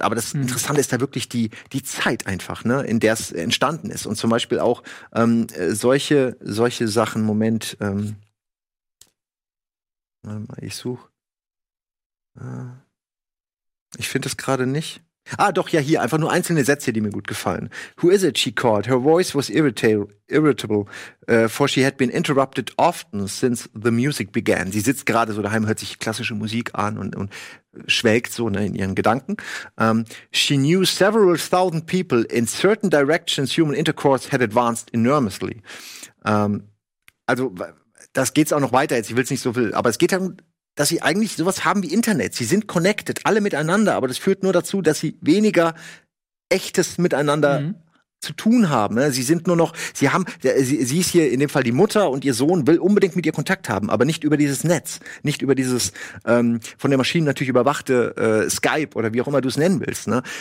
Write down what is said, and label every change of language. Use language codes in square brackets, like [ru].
[de] Aber das Interessante ist da wirklich die Zeit einfach, ne, in der es entstanden ist. Und zum Beispiel auch solche Sachen, Moment, warte mal, ich suche. Ich finde es gerade nicht. Ah, doch, ja, hier, einfach nur einzelne Sätze, die mir gut gefallen. [en] Who is it, she called. Her voice was irritable, for she had been interrupted often since the music began. [de] Sie sitzt gerade so daheim, hört sich klassische Musik an und schwelgt so, ne, in ihren Gedanken. [en] She knew several thousand people. In certain directions, human intercourse had advanced enormously. [de] Also, das geht's auch noch weiter jetzt. Ich will's nicht so viel, aber es geht darum, dass sie eigentlich sowas haben wie Internet. Sie sind connected, alle miteinander, aber das führt nur dazu, dass sie weniger echtes miteinander zu tun haben. Sie sind nur noch, sie ist hier in dem Fall die Mutter und ihr Sohn will unbedingt mit ihr Kontakt haben, aber nicht über dieses Netz, nicht über dieses von der Maschine natürlich überwachte Skype oder wie auch immer du es nennen willst, ne?